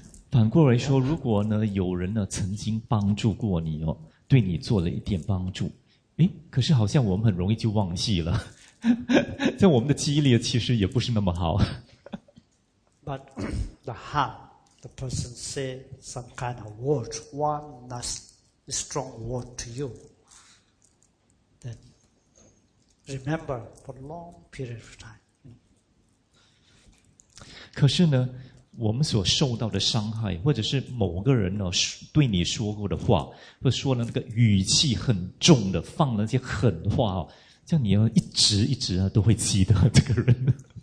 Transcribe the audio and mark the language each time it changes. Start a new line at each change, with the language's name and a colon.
Chinese: 反过来说，如果呢，有人呢曾经帮助过你哦，对你做了一点帮助。诶，可是好像我们很容易就忘记了，在我们的记忆力其实也不是那么好。
English: But the harm, the person say some kind of word, one last strong word to you, then remember for a long period of time.
Chinese: 可是呢，我们所受到的伤害，或者是某个人呢对你说过的话，或者说了那个语气很重的，放了一些狠话，这样你要一直一直啊都会记得这个人。